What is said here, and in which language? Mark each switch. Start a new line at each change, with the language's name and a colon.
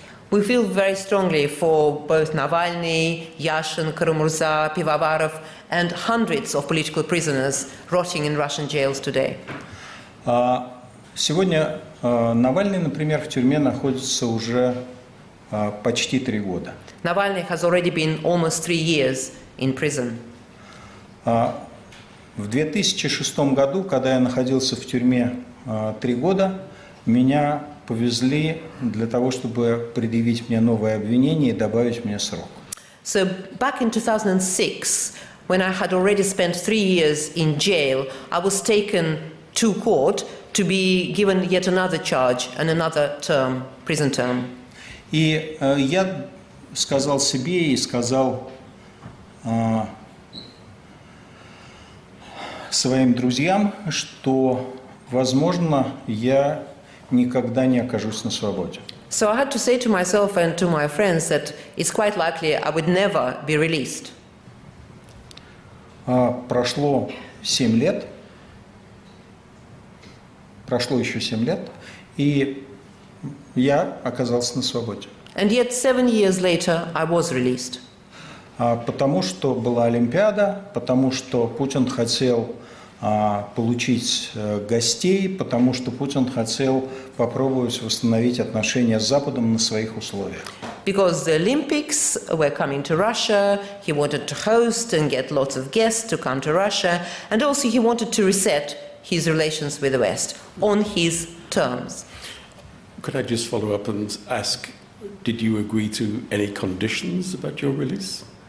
English: We feel very strongly for both Navalny, Yashin, Karamurza, Pivovarov, and hundreds of political prisoners rotting in Russian jails today.
Russian: Сегодня Навальный, например, в тюрьме находится уже почти три года.
English: Navalny has already been almost 3 years in prison.
Russian: В 2006 году, когда я находился в тюрьме три года, меня повезли для того, чтобы предъявить мне новое обвинение и добавить мне срок.
English: So back in 2006, when I had already spent 3 years in jail, I was taken to court to be given yet another charge and another term, prison term.
Russian: И я сказал себе и сказал своим друзьям, что, возможно, я никогда не окажусь на свободе.
English: So I had to say to myself and to my friends that it's quite likely I would never be released.
Russian: Прошло 7 лет. Прошло еще 7 лет, и я оказался на свободе.
English: And yet 7 years later I was released.
Russian: Потому что была Олимпиада, потому что Путин хотел получить гостей, потому что Путин хотел попробовать восстановить отношения с Западом на своих условиях.
English: Because the Olympics were coming to Russia, he wanted to host and get lots of guests to come to Russia, and also he wanted to reset his relations with the West on his terms. Could I just follow up and ask, did you agree to any conditions about your release?